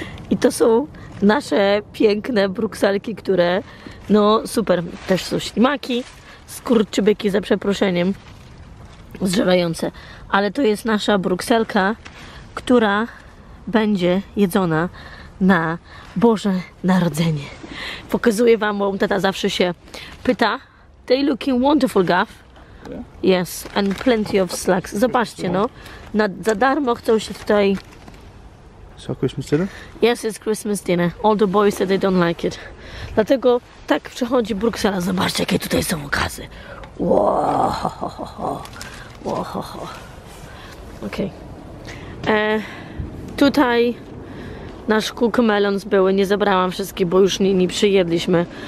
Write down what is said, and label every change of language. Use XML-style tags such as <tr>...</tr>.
<pl>i to są nasze piękne brukselki, które no super, też są ślimaki, skurczybyki za przeproszeniem, zżerające, ale to jest nasza brukselka, która będzie jedzona na Boże Narodzenie. Pokazuję wam, bo tata zawsze się pyta.</pl> <en>They looking wonderful, Gav. Yeah. Yes, and plenty of slacks.</en> <pl>Zobaczcie, no. Na, za darmo chcą się tutaj...</pl> <en>Is that Christmas dinner? Yes, it's Christmas dinner. All the boys said they don't like it.</en> <pl>Dlatego tak przychodzi Bruksela. Zobaczcie, jakie tutaj są okazy. Wow. Okej. Tutaj nasz cookmelons były. Nie zebrałam wszystkich, bo już nie przyjedliśmy.</pl>